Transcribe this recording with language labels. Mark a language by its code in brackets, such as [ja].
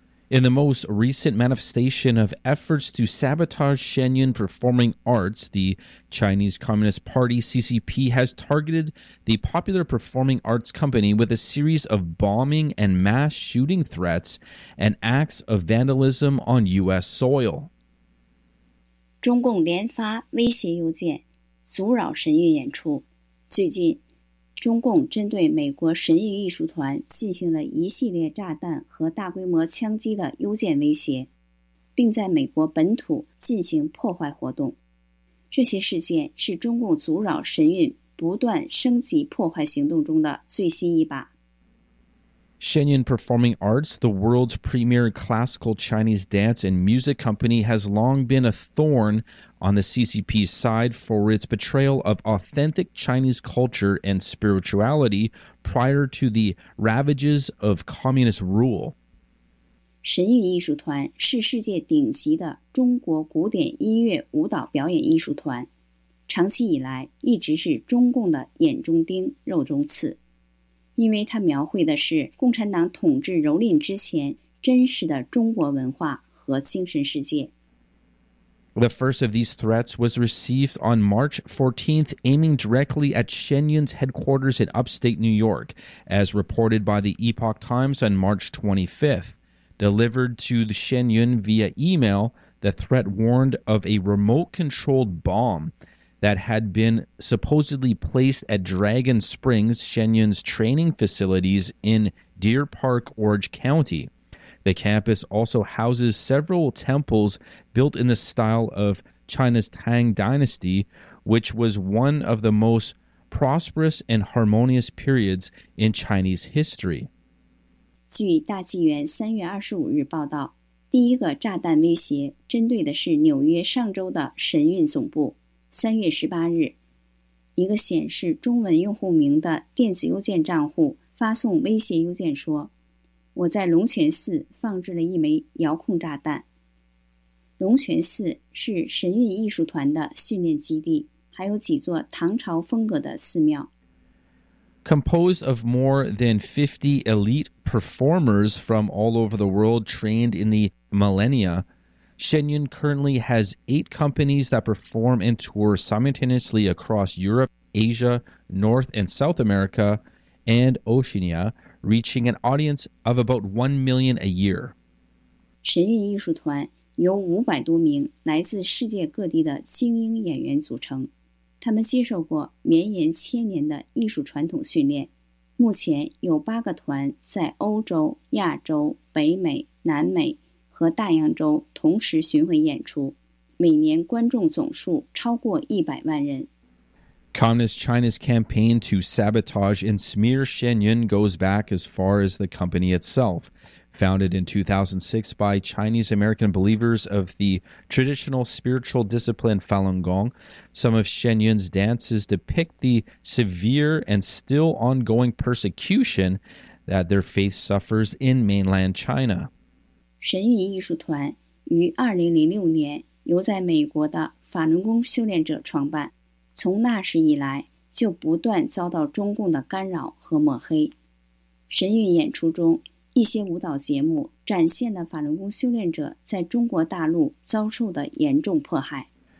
[en] In the most recent manifestation of efforts to sabotage Shenyun performing arts, the Chinese Communist Party, CCP, has targeted the popular performing arts company with a series of bombing and mass shooting threats and acts of vandalism on U.S. soil. [zh] 中共连发威胁邮件，阻扰神韵演出。最近，中共针对美国神韵艺术团进行了一系列炸弹和大规模枪击的邮件威胁，并在美国本土进行破坏活动。这些事件是中共阻扰神韵不断升级破坏行动中的最新一把。 [en] Shenyun Performing Arts, the world's premier classical Chinese dance and music company, has long been a thorn on the CCP's side for its betrayal of authentic Chinese culture and spirituality prior to the ravages of communist rule. [zh] 神韵艺术团是世界顶级的中国古典音乐舞蹈表演艺术团，长期以来一直是中共的眼中钉、肉中刺。因为它描绘的是共产党统治蹂躏之前真实的中国文化和精神世界。 [en] The first of these threats was received on March 14th, aiming directly at Shenyun's headquarters in upstate New York, as reported by the Epoch Times on March 25th. Delivered to the Shenyun via email, the threat warned of a remote-controlled bomb. That had been supposedly placed at Dragon Springs, Shenyun's training facilities in Deer Park, Orange County. The campus also houses several temples built in the style of China's Tang Dynasty, which was one of the most prosperous and harmonious periods in Chinese history. [zh] 据大纪元3月25日报道，第一个炸弹威胁针对的是纽约上周的神韵总部。 3月18日，一个显示中文用户名的电子邮件账户发送威胁邮件说，我在龙泉寺放置了一枚遥控炸弹。龙泉寺是神韵艺术团的训练基地，还有几座唐朝风格的寺庙。 [en] Composed of more than 50 elite performers from all over the world trained in the millennia,Shenyun currently has 8 companies that perform and tour simultaneously across Europe, Asia, North and South America, and Oceania, reaching an audience of about 1 million a year. [zh] 神韵艺术团由500多名来自世界各地的精英演员组成，他们接受过绵延千年的艺术传统训练。目前有8个团在欧洲、亚洲、北美、南美和大洋洲同时巡回演出，每年观众总数超过100万人。 [en] Communist China's campaign to sabotage and smear Shenyun goes back as far as the company itself. Founded in 2006 by Chinese-American believers of the traditional spiritual discipline Falun Gong, some of Shenyun's dances depict the severe and still ongoing persecution that their faith suffers in mainland China. [zh] 神韵艺术团于2006年由在美国的法轮功修炼者创办，从那时以来就不断遭到中共的干扰和抹黑。神韵演出中一些舞蹈节目展现了法轮功修炼者在中国大陆遭受的严重迫害。